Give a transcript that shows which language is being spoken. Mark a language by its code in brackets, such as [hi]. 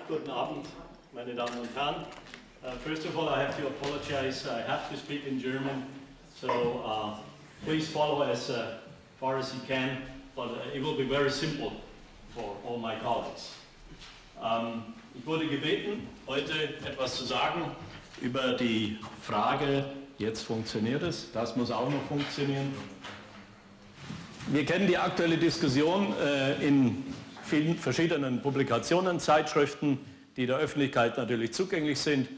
[de] Guten Abend, meine Damen und Herren. [en] First of all, I have to apologize. I have to speak in German. So please follow as far as you can. But it will be very simple for all my colleagues. [de] Ich wurde gebeten, heute etwas zu sagen über die Frage, jetzt funktioniert es, das muss auch noch funktionieren. Wir kennen die aktuelle Diskussion in vielen verschiedenen Publikationen, Zeitschriften, die der Öffentlichkeit natürlich zugänglich sind.